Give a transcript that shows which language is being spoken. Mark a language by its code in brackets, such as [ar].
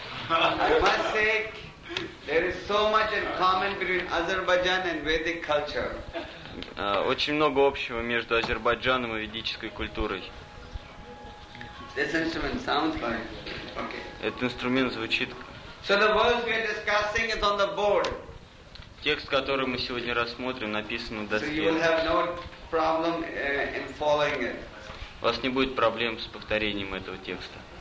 [en] I must say, there is so much in common between Azerbaijan and Vedic culture. [ru] Очень много общего между Азербайджаном и ведической культурой. [en] This instrument sounds like. Okay. [ru] Этот инструмент звучит. [en] So the verse we are discussing is on the board. [ru] Текст, который мы сегодня рассмотрим, написан на доске. [en] So you will have no problem in following it. [ru] У вас не будет проблем с повторением этого текста.